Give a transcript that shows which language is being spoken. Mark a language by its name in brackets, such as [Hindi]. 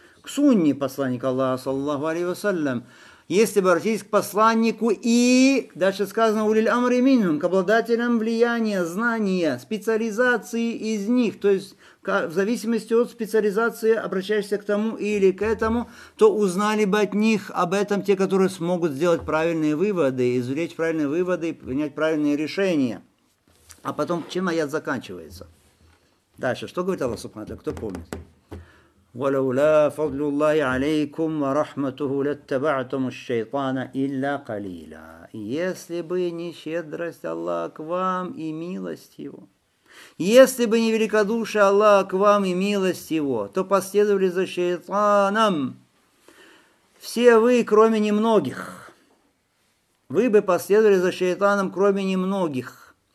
[Russian] К сунне посланника Аллаха, саллаллаху алейхи ва саллям. Если бы обратились к посланнику и, дальше сказано, [Arabic] улиль амри минхум, [Russian] к обладателям влияния, знания, специализации из них, то есть в зависимости от специализации обращаешься к тому или к этому, то узнали бы от них об этом те, которые смогут сделать правильные выводы, извлечь правильные выводы и принять правильные решения. А потом, чем аят заканчивается? Дальше, что говорит Аллах Субхана, кто помнит? [Arabic] ولولا فضل الله عليكم ورحمته لاتبعتم الشيطان الا قليلا. [Russian] Если бы не щедрость Аллаха к вам и милость его. Если бы не великодушие Аллаха к вам и милость его, то последовали за шайтаном. Все вы, кроме немногих. Вы бы последовали за шайтаном, кроме немногих.